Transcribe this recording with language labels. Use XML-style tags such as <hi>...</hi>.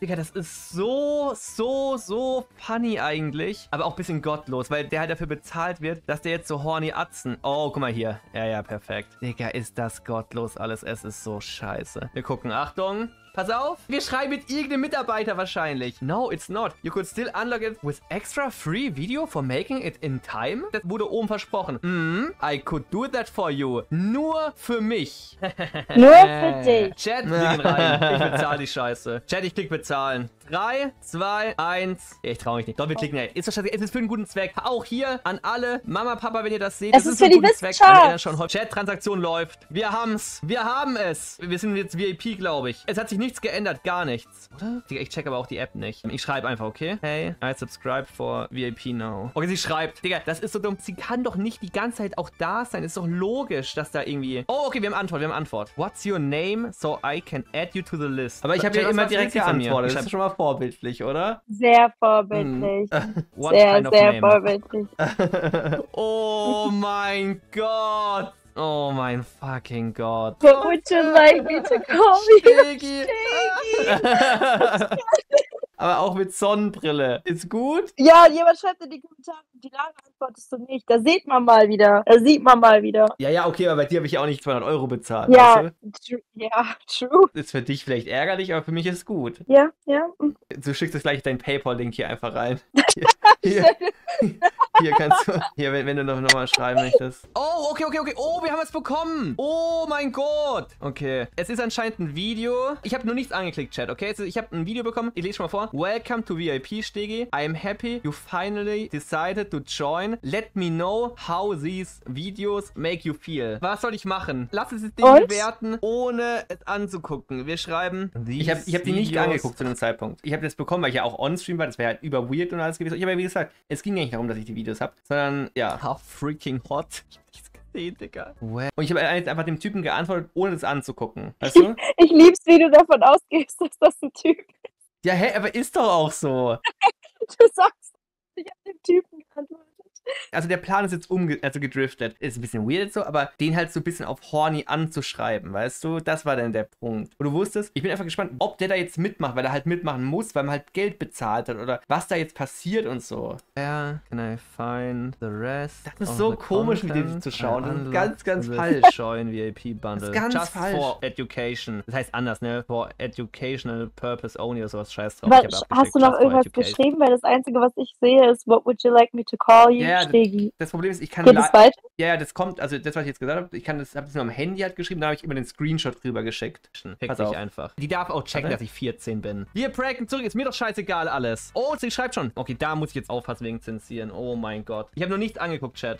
<de>Digga, das ist so, so, so funny eigentlich. Aber auch ein bisschen gottlos, weil der halt dafür bezahlt wird, dass der jetzt so horny Atzen. Oh, guck mal hier. Ja, ja, perfekt. Digga, ist das gottlos alles. Es ist so scheiße. Wir gucken. Achtung. Pass auf. Wir schreiben mit irgendeinem Mitarbeiter wahrscheinlich.</de> <en>No, it's not. You could still unlock it with extra free video for making it in time.</en> <de>Das wurde oben versprochen.</de> <en>I could do that for you.</en> <de>Nur für mich. Nur für dich. Chat, wir gehen rein. Ich bezahle die Scheiße. Chat, ich klicke bezahlen. 3, 2, 1. Ich trau mich nicht. Doch, wir klicken. Ey. Ist wahrscheinlich, es ist für einen guten Zweck. Auch hier an alle. Mama, Papa, wenn ihr das seht. Es ist für einen die Wissenschaft. Chat-Transaktion läuft. Wir haben's. Wir haben es. Wir sind jetzt VIP, glaube ich. Es hat sich nichts geändert. Gar nichts. Oder? Ich check aber auch die App nicht. Ich schreibe einfach, okay?</de> <en>Hey, I subscribe for VIP now.</en> <de>Okay, sie schreibt. Digga, das ist so dumm. Sie kann doch nicht die ganze Zeit auch da sein. Ist doch logisch, dass da irgendwie... Oh, okay, wir haben Antwort.</de> <en>What's your name so I can add you to the list?</en> <de>Aber ich habe ja immer direkt geantwortet. Das ist schon mal vorbildlich, oder? Sehr vorbildlich. Vorbildlich. Oh mein Gott. Oh mein fucking Gott.</de> <en>But would you like me to call me Shaggy?</en> <de>Aber auch mit Sonnenbrille. Ist gut? Ja, jemand schreibt in die Kommentare, die lange antwortest du nicht. Da sieht man mal wieder. Ja, ja, okay, aber bei dir habe ich ja auch nicht 200 Euro bezahlt. Ja, weißt du? true. Ist für dich vielleicht ärgerlich, aber für mich ist gut. Ja, ja. Du schickst jetzt gleich deinen PayPal-Link hier einfach rein. Hier kannst du, hier, wenn du nochmal schreiben möchtest. Oh, okay. Oh, wir haben es bekommen. Oh mein Gott. Okay, es ist anscheinend ein Video. Ich habe nur nichts angeklickt, Chat, okay? Ich habe ein Video bekommen. Ich lese schon mal vor.</de> <en>Welcome to VIP,</en> <de>Stegi. I'm happy you finally decided to join. Let me know how these videos make you feel. Was soll ich machen? Lass es dich bewerten, ohne es anzugucken. Wir schreiben. Ich hab die nicht angeguckt zu dem Zeitpunkt. Ich habe das bekommen, weil ich ja auch onstream war. Das wäre halt über weird und alles gewesen. Ich habe ja, wie gesagt, es ging ja nicht darum, dass ich die Videos habe, sondern ja.</de> <en>How freaking hot.</en> <de>Digga. Und ich habe jetzt einfach dem Typen geantwortet, ohne das anzugucken. Weißt du? Ich lieb's, wie du davon ausgehst, dass das ein Typ ist. Ja, hä, aber ist doch auch so. Du sagst, ich habe dem Typen geantwortet. Also der Plan ist jetzt gedriftet. Ist ein bisschen weird so, aber den halt so ein bisschen auf horny anzuschreiben, weißt du? Das war dann der Punkt. Und du wusstest, ich bin einfach gespannt, ob der da jetzt mitmacht, weil er halt mitmachen muss, weil man halt Geld bezahlt hat oder was da jetzt passiert und so.</de> <en>Where can I find the rest?</en> <de>Das ist so komisch, mit dem zu schauen. Das ist ganz, ganz falsch.</de> <en>Join VIP Bundle.</en> <de>Das ist ganz</de> <en>just</en> <de>falsch.</de> <en>For education.</en> <de>Das heißt anders, ne?</de> <en>For educational purpose only</en> <de>oder sowas. Scheiß drauf. Hast du noch irgendwas geschrieben? Weil das Einzige, was ich sehe, ist,</de> <en>what would you like me to call you?</en> <de>Ja, das Problem ist, ich kann geht es weiter? Ja, das kommt, also das, was ich jetzt gesagt habe, ich habe das nur am Handy halt geschrieben, da habe ich immer den Screenshot drüber geschickt. Pass auf. Einfach. Die darf auch checken, dass ich 14 bin. Wir pranken zurück, ist mir doch scheißegal alles. Oh, sie schreibt schon. Okay, da muss ich jetzt aufpassen wegen Zensieren. Oh mein Gott. Ich habe noch nichts angeguckt, Chat.</de>